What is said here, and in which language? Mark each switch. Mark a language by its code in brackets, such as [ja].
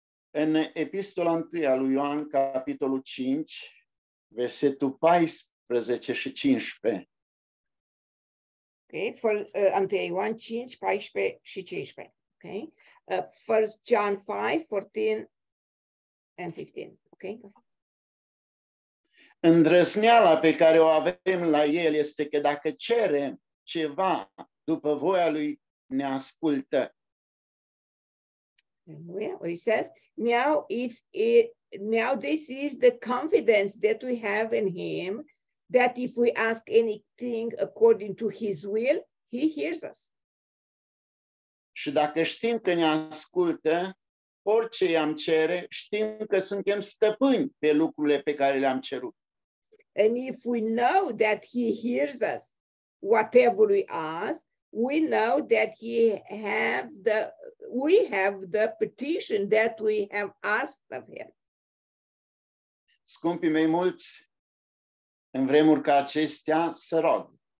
[ro] În epistola 1 a lui Ioan, capitolul 5, versetul 14 și 15. [en] Okay, for 1 5, 14 și 15. Okay? 1 John 5, 14 and 15. Okay? [ro] Îndrăzneala pe care o avem la el este că dacă cerem ceva după voia lui, ne ascultă. [en] Well, he says, now this is the confidence that we have in him, that if we ask anything according to his will, he hears us. [ro] Și dacă știm că ne ascultă, orice i-am cere, știm că suntem stăpâni pe lucrurile pe care le-am cerut. [en] And if we know that he hears us, whatever we ask, we know that we have the petition that we have asked of him. [ro] Scumpii mei mulți, în vremuri ca acestea, se rog.